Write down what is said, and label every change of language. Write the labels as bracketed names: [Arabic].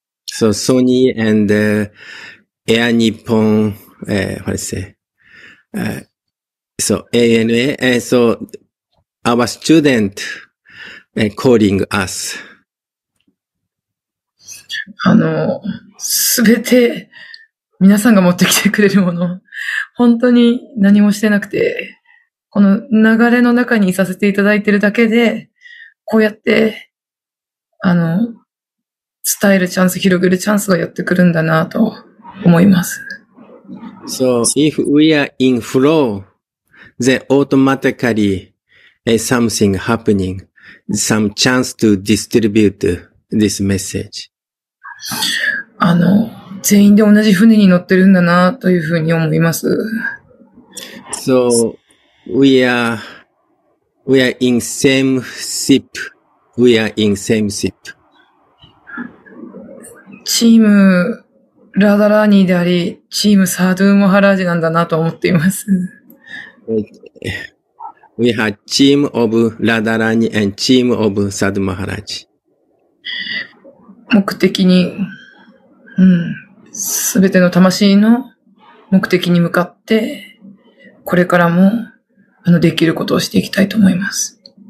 [English] So Sony and Air Nippon, what is it? So ANA, and so our student,calling us. [Japanese] すべて皆さんが持ってきてくれるもの、本当に何もしてなくて、この流れの中にいさせていただいているだけで、こうやって、伝えるチャンス、広げるチャンスがやってくるんだなと思います。 [English] So, if we are in flow, then automatically, something happening. Some chance to distribute this message. [Japanese] 全員で同じ船に乗ってるんだなというふうに思います。 [English] So we are in same ship. We are in same ship. [Japanese] チームラダラーニーであり、チームサドゥーモハラージなんだなと思っています。 [English] We have team of Radharani and team of Sadhu Maharaj. [Japanese] 目的に、すべての魂の目的に向かって、これからも、できることをしていきたいと思います。